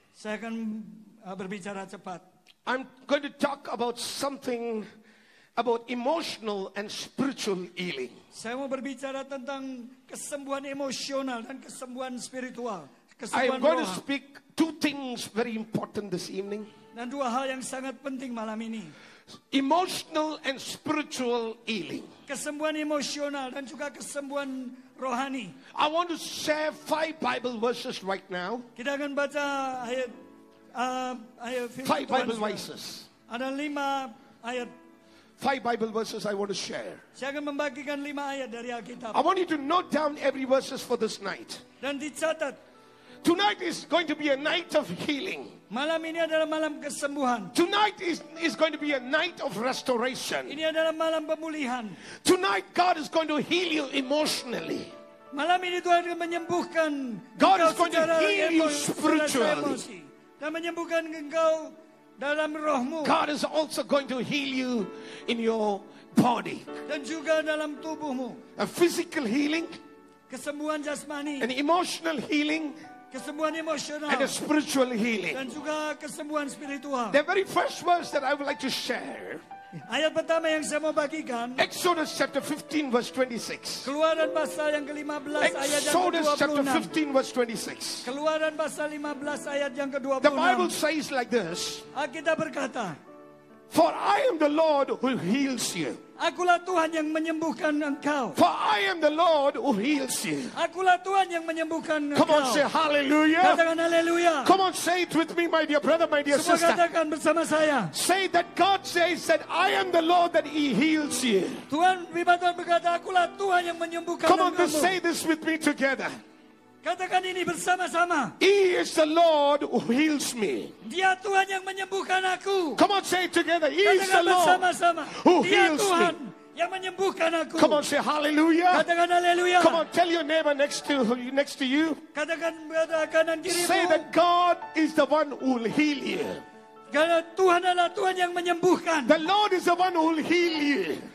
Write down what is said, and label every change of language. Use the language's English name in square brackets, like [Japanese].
[Indonesian] Saya akan berbicara cepat. [English] I'm going to talk about something about emotional and spiritual healing. [Indonesian] Saya mau berbicara tentang kesembuhan emosional dan kesembuhan spiritual. [English] I'm going to speak two things very important this evening. [Indonesian] Dan dua hal yang sangat penting malam ini. [English] Emotional and spiritual healing. [Indonesian] Kesembuhan emosional dan juga kesembuhan rohani. [English] I want to share 5 Bible verses right now. [Indonesian] Kita akan baca ayat [English] 5 Bible verses. [Indonesian] Ada 5 ayat. [English] 5 Bible verses I want to share. [Indonesian] Saya akan membagikan 5 ayat dari Alkitab. [English] I want you to note down every verses for this night. [Indonesian] Dan dicatat. [English] Tonight is going to be a night of healing. [Indonesian] Malam ini adalah malam kesembuhan. [English] Tonight is going to be a night of restoration. [Indonesian] Ini adalah malam pemulihan. [English] Tonight God is going to heal you emotionally. [Indonesian] Malam ini Tuhan akan menyembuhkan. [English] God is going to heal you spiritually. [Indonesian] Dan menyembuhkan engkau. Dalam rohmu. [English] God is also going to heal you in your body. [Indonesian] Dan juga dalam tubuhmu. [English] A physical healing. [Indonesian] Kesembuhan jasmani. [English] An emotional healing. [Indonesian] Kesembuhan emosional. [English] And a spiritual healing. [Indonesian] Dan juga kesembuhan spiritual. [English] The very first verse that I would like to share. [Indonesian] Ayat pertama yang saya mau bagikan. [English] Exodus chapter 15 verse 26. [Indonesian] Keluaran pasal yang ke-15 ayat yang ke-26. [English] Exodus chapter 15 verse 26. [Indonesian] Keluaran pasal 15 ayat yang ke-26. [English] The Bible says like this. [Indonesian] Alkitab berkata, [English] "For I am the Lord who heals you." [Indonesian] Akulah Tuhan yang menyembuhkan engkau. [English] "For I am the Lord who heals you." [Indonesian] Akulah Tuhan yang menyembuhkan engkau. [English] Come on, say hallelujah. [Indonesian] Katakan haleluya. [English] Come on, say it with me, my dear brother, my dear sister. [Indonesian] Katakan bersama saya. [English] Say that God says that I am the Lord that He heals you. [Indonesian] Tuhan berkata, akulah Tuhan yang menyembuhkan [English] engkau. Come on, say this with me together. [Indonesian] Katakan ini bersama-sama. [English] He is the Lord who heals me. [Indonesian] Dia Tuhan yang menyembuhkan aku. [English] Come on, say it together. He [Indonesian] Katakan [English] is the Lord [Indonesian] bersama-sama. [English] Who [Indonesian] Dia [English] heals [Indonesian] Tuhan [English] me. [Indonesian] Yang menyembuhkan aku. [English] Come on, say hallelujah. [Indonesian] Katakan hallelujah. [English] Come on, tell your neighbor next to you. [Indonesian] Katakan pada kanan kirimu. [English] Say that God is the one who will heal you. [Indonesian] Karena Tuhan adalah Tuhan yang menyembuhkan. [English] The Lord is the one who will heal you.